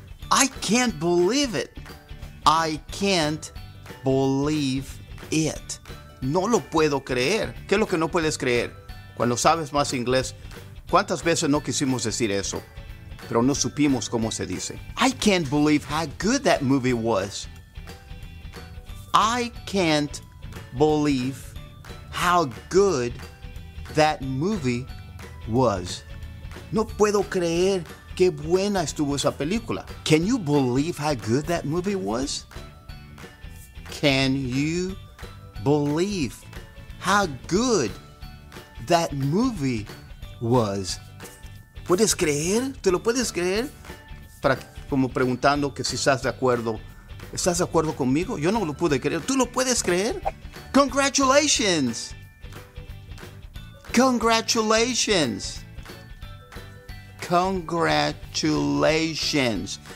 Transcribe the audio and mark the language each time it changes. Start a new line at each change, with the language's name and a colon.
English: I can't believe it. I can't believe it.
Spanish: No lo puedo creer. ¿Qué es lo que no puedes creer? Cuando sabes más inglés, ¿cuántas veces no quisimos decir eso? Pero no supimos cómo se dice.
English: I can't believe how good that movie was. I can't believe how good that movie was.
Spanish: No puedo creer qué buena estuvo esa película.
English: Can you believe how good that movie was? Can you believe how good that movie was?
Spanish: ¿Puedes creer? ¿Te lo puedes creer? Para, como preguntando que si estás de acuerdo ¿Estás de acuerdo conmigo? Yo no lo pude creer. ¿Tú lo puedes creer?
English: ¡Congratulations! ¡Congratulations! ¡Congratulations!